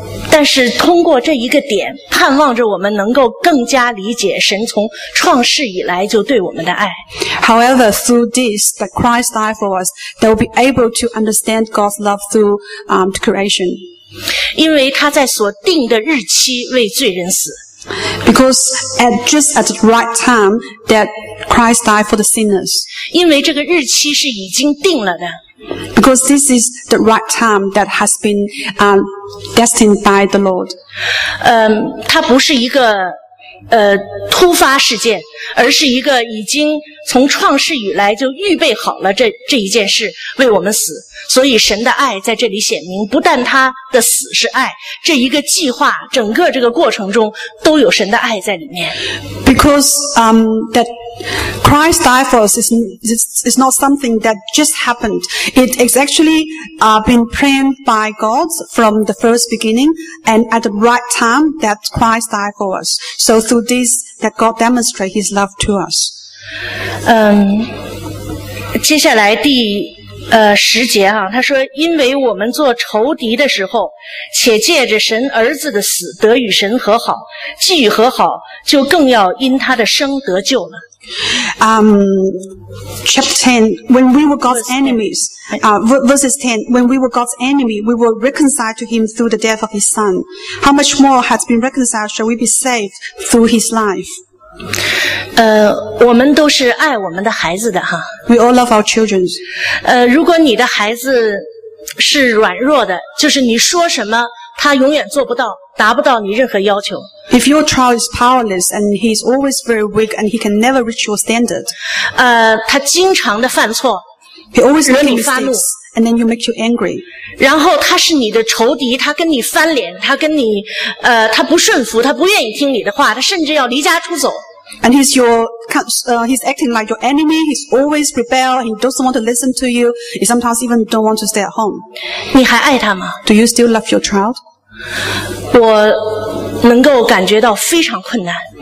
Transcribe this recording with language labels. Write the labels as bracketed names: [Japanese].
[Chinese] 但是通过这一个点，盼望着我们能够更加理解神从创世以来就对我们的爱。 [English] However, through this, that Christ died for us, they will be able to understand God's love through creation. [Chinese] 因为他在所定的日期为罪人死。 [English] Because at just at the right time that Christ died for the sinners. [Chinese] 因为这个日期是已经定了的。 [English] Because this is the right time that has been destined by the Lord. [Chinese] 它不是一个突发事件，而是一个已经从创世以来就预备好了这一件事为我们死。所以神的爱在这里显明，不但他的死是爱，这一个计划整个这个过程中都有神的爱在里面。 [English] Because that Christ died for us is not something that just happened. It is actually been planned by God from the first beginning and at the right time that Christ died for us. So through this that God demonstrates his love to us. [Chinese] 接下来第十节啊，他说，因为我们做仇敌的时候，且借着神儿子的死得与神和好，既与和好，就更要因他的生得救了。 [English] Chapter 10, when we were God's enemies, verses 10, when we were God's enemy, we were reconciled to him through the death of his son. How much more has been reconciled shall we be saved through his life? [Chinese] 我们都是爱我们的孩子的哈。 [English] We all love our children. [Chinese] 如果你的孩子是软弱的，就是你说什么，他永远做不到，达不到你任何要求。 [English] If your child is powerless and he is always very weak and he can never reach your standard, [Chinese] 他经常的犯错， [English] he always makes mistakes, [Chinese] 惹你发怒， [English] and then you make you angry. [Chinese] 然后他是你的仇敌，他跟你翻脸，他跟你，他不顺服，他不愿意听你的话，他甚至要离家出走。 [English] And he's your, he's acting like your enemy. He's always rebel. He doesn't want to listen to you. He sometimes even don't want to stay at home. [Chinese] 你还爱他吗？ [English] Do you still love your child? [Chinese] 我能够感觉到非常困难。